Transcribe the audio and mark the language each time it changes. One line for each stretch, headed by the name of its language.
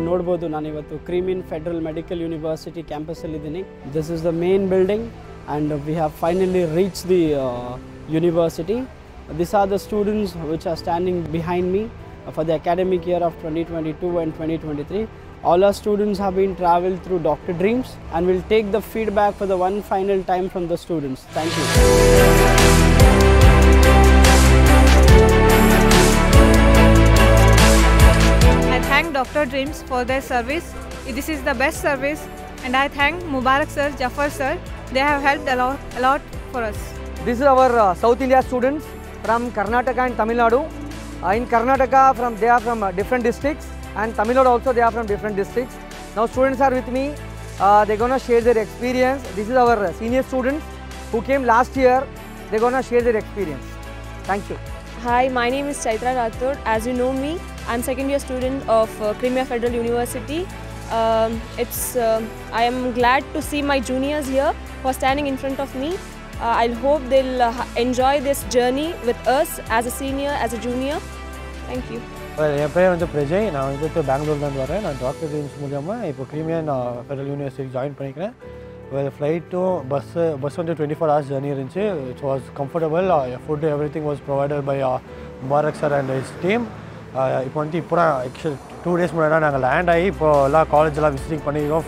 Kannada: ಹೌದು, ನಾನು ಇವತ್ತು ಕ್ರಿಮಿನ್ ಫೆಡರಲ್ ಮೆಡಿಕಲ್ ಯೂನಿವರ್ಸಿಟಿ ಕ್ಯಾಂಪಸ್ಸಲ್ಲಿ ಇದ್ದೀನಿ.
English: This is the main building and we have finally reach the university. This are the students which are standing behind me for the academic year of 2022 and 2023. All our students have been traveled through Dr. Dreams and we'll take the feedback for the one final time from the students. Thank you. I thank Dr. Dreams for their service. This is the best service and I thank Mubarak sir, Jafar sir. They have helped a lot for us. This is our South India students from Karnataka and Tamil Nadu. In Karnataka, they are from different districts. And Tamil Nadu also, they are from different districts. Now students are with me. They're going to share their experience. This is our senior students who came last year. They're going to share their experience. Thank you. Hi, my name is Chaitra Rathod. As you know me, I'm second year student of Crimea Federal University. I am glad to see my juniors here who are standing in front of me. I hope they'll enjoy this journey with us as a senior, as a junior. Thank you.
Tamil: என் பேர் வந்து பிரஜய். நான் வந்துட்டு பெங்களூர்ல இருந்து வரேன். நான் doctor dreams மூலமா இப்போ கிரீமியன் ஃபெடரல் யூனிவர்சிட்டி ஜாயின் பண்ணிக்கிறேன். ஃப்ளைட்டும் பஸ் வந்து 24 ஹவர்ஸ் ஜர்னி இருந்துச்சு.
English: It was comfortable. Food everything was provided by Mubarak sir and his team.
Tamil: இப்போ வந்து இப்போ தான் ஆக்சுவலி 2 டேஸ் முன்னாடி நாங்கள் லேண்ட் ஆகி இப்போ எல்லாம் காலேஜெலாம் விசிட்டிங் பண்ணியிருக்கோம்.